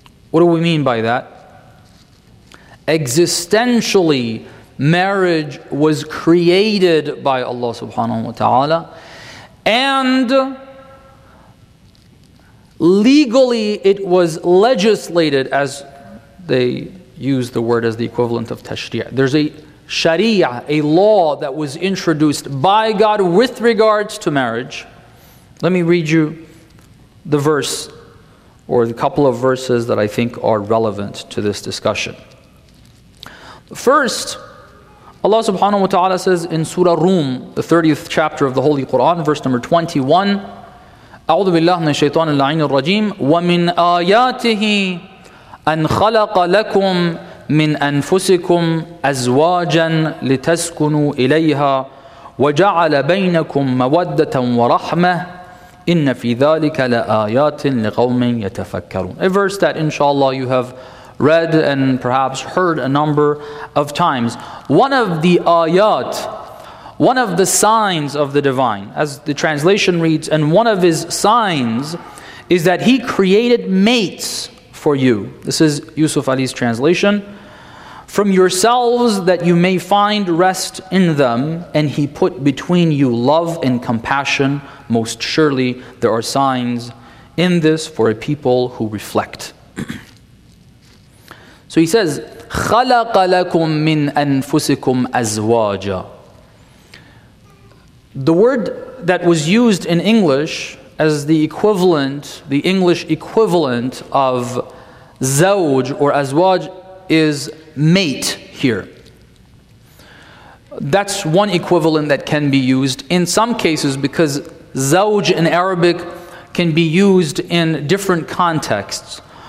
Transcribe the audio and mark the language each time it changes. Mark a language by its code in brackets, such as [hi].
[en] What do we mean by that? Existentially, marriage was created by Allah subhanahu wa ta'ala, and legally it was legislated, as they use the word as the equivalent of tashri'. There's a sharia, a law that was introduced by God with regards to marriage. Let me read you the verse, or the couple of verses that I think are relevant to this discussion. First, Allah subhanahu wa ta'ala says in Surah Rum, the 30th chapter of the Holy Quran, verse number 21, [ar] أعوذ بالله من الشيطان اللعين الرجيم ومن آياته أن خلق لكم من أنفسكم أزواجا لتسكنوا إليها وجعل بينكم مودة ورحمة إن في ذلك لآيات لقوم يتفكرون. [en] A verse that inshallah you have read and perhaps heard a number of times. One of the ayat, one of the signs of the divine, as the translation reads, and one of his signs is that he created mates for you. This is Yusuf Ali's translation. From yourselves that you may find rest in them, and he put between you love and compassion. Most surely there are signs in this for a people who reflect. So he says, [ar] خَلَقَ لَكُم مِّنْ أَنفُسِكُمْ أَزْوَاجًا. [en] The word that was used in English as the English equivalent of zawj or azwaj is mate here. That's one equivalent that can be used in some cases, because zawj in Arabic can be used in different contexts.